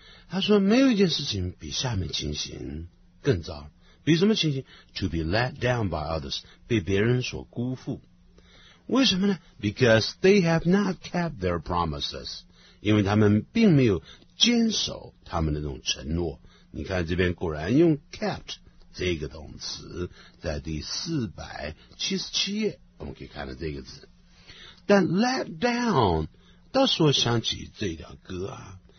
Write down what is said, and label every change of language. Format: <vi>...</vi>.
<zh>他说没有一件事情比下面情形更糟。比什么情形 ? To be let down by others, 被别人所辜负。</zh> <en>为什么呢 ?Because they have not kept their promises.</en> <zh>因为他们并没有坚守他们的那种承诺。你看这边果然用 kept 这个动词在第477页我们可以看到这个字。但 let down, 倒是我想起这条歌啊。</zh>